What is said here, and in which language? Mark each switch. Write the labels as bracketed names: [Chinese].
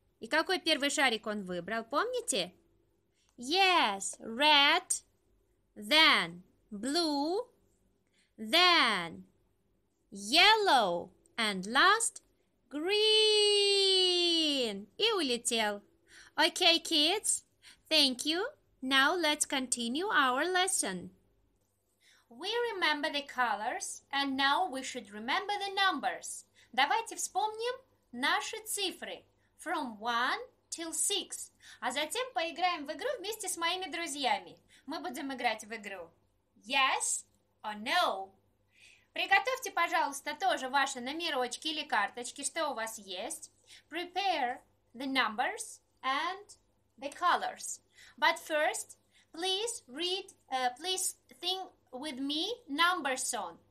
[Russian] И какой первый шарик он выбрал, помните? [English] Yes, red, then blue, then yellow, and last green. [Russian] И улетел. [English] Okay, kids, thank you. Now let's continue our lesson. We remember the colors, and now we should remember the numbers. [Russian] Давайте вспомним наши цифры [English] from 1 till 6. [Russian] А затем поиграем в игру вместе с моими друзьями. Мы будем играть в игру [English] Yes or No. [Russian] Приготовьте, пожалуйста, тоже ваши номерочки или карточки, что у вас есть. [English] Prepare the numbers and the colors. But first, please read, please think with me number song.